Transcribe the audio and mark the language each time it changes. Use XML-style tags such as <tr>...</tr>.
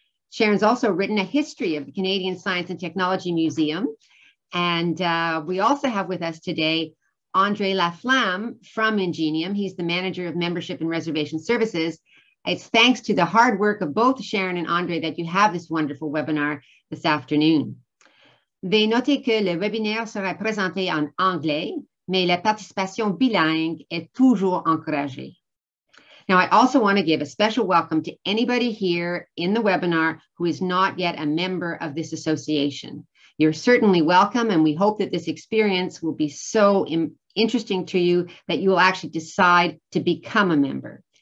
<en>Sharon's also written a history of the Canadian Science and Technology Museum. And we also have with us today Andre Laflamme from Ingenium. He's the manager of membership and reservation services. It's thanks to the hard work of both Sharon and Andre that you have this wonderful webinar this afternoon.</en> <fr>Veuillez noter que le webinaire sera présenté en anglais, mais la participation bilingue est toujours encouragée.</fr> <en>Now, I also want to give a special welcome to anybody here in the webinar who is not yet a member of this association. You're certainly welcome, and we hope that this experience will be so interesting to you that you will actually decide to become a member.</en>